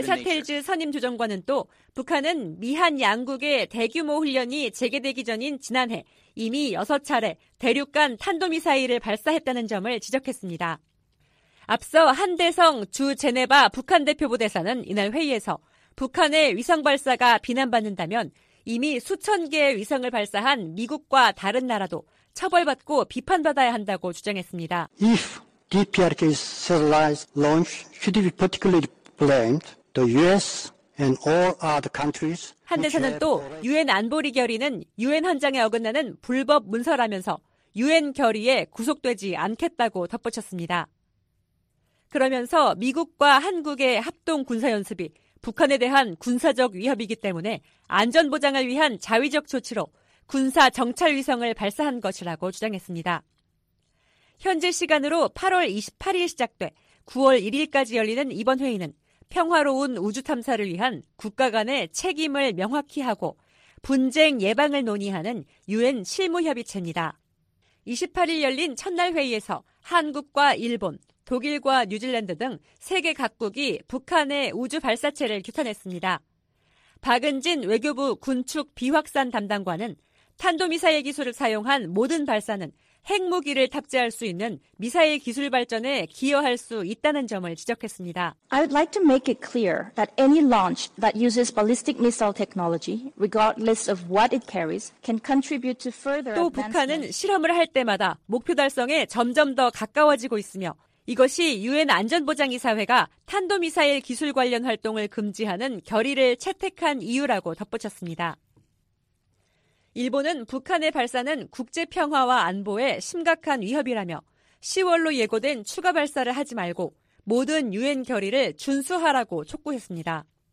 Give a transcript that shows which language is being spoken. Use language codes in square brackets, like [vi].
[ko] 데사텔즈 선임 조정관은 또 북한은 미한 양국의 대규모 훈련이 재개되기 전인 지난해 이미 6차례 대륙간 탄도 미사일을 발사했다는 점을 지적했습니다. 앞서 한대성 주 제네바 북한 대표 부대사는 이날 회의에서 북한의 위성 발사가 비난받는다면 이미 수천 개의 위성을 발사한 미국과 다른 나라도 처벌받고 비판받아야 한다고 주장했습니다. [en] If DPRK's satellite launch should be particularly blamed, the US and all other countries. [ko] 한대사는 또 유엔 안보리 결의는 유엔 헌장에 어긋나는 불법 문서라면서 유엔 결의에 구속되지 않겠다고 덧붙였습니다. 그러면서 미국과 한국의 합동 군사 연습이 북한에 대한 군사적 위협이기 때문에 안전보장을 위한 자위적 조치로 군사 정찰 위성을 발사한 것이라고 주장했습니다. 현재 시간으로 8월 28일 시작돼 9월 1일까지 열리는 이번 회의는 평화로운 우주 탐사를 위한 국가 간의 책임을 명확히 하고 분쟁 예방을 논의하는 유엔 실무협의체입니다. 28일 열린 첫날 회의에서 한국과 일본, 독일과 뉴질랜드 등 세계 각국이 북한의 우주 발사체를 규탄했습니다. 박은진 외교부 군축 비확산 담당관은 탄도미사일 기술을 사용한 모든 발사는 핵무기를 탑재할 수 있는 미사일 기술 발전에 기여할 수 있다는 점을 지적했습니다. [en] I would like to make it clear that any launch that uses ballistic missile technology, regardless of what it carries, can contribute to further advancement. [ko] 또 북한은 실험을 할 때마다 목표 달성에 점점 더 가까워지고 있으며 이것이 유엔 안전보장이사회가 탄도미사일 기술 관련 활동을 금지하는 결의를 채택한 이유라고 덧붙였습니다. 일본은 북한의 발사는 국제 평화와 안보에 심각한 위협이라며 10월로 예고된 추가 발사를 하지 말고 모든 유엔 결의를 준수하라고 촉구했습니다.